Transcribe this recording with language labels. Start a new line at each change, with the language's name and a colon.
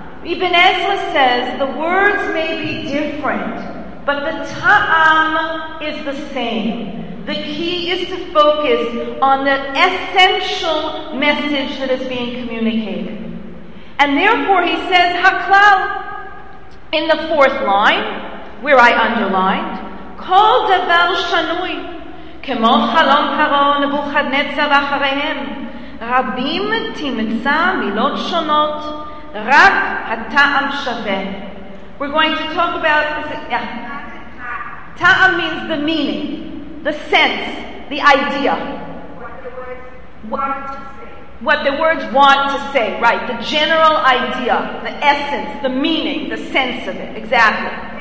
English: Ibn Ezra says, the words may be different, but the ta'am is the same. The key is to focus on the essential message that is being communicated. And therefore, he says, Haklal, in the fourth line, where I underlined,
Hebrew: כל דבר שנוי, כמו חלום פרעון נבוכדנצר ואחריהם. רבים תמצא מילות שונות, רק הטעם שווה.
English: We're going to talk about this. Yeah. Ta'am means the meaning, the sense, the idea. What the words want to say, right? The general idea, the essence, the meaning, the sense of it, exactly.